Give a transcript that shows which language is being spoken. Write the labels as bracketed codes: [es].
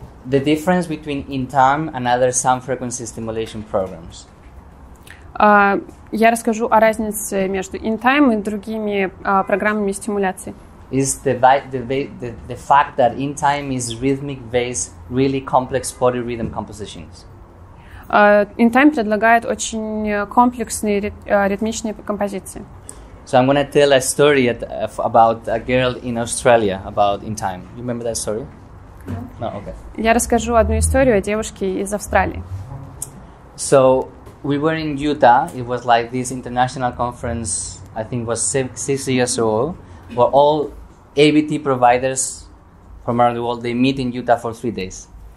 [en] The difference between in time and other sound frequency stimulation programs. [ru] Я расскажу о разнице между in time и другими программами стимуляции. [en] Is the fact that in time is rhythmic based, really complex body rhythm compositions. [ru] In time предлагает очень комплексные ритмичные композиции. [en] So I'm going to tell a story about a girl in Australia about in time. You remember that story? No. No, okay. [ru] Я расскажу одну историю о девушке из Австралии. [en] So we were in Utah. It was like this international conference, I think it was 6 years ago. Well, all ABT providers from around the world, they meet in Utah for 3 days.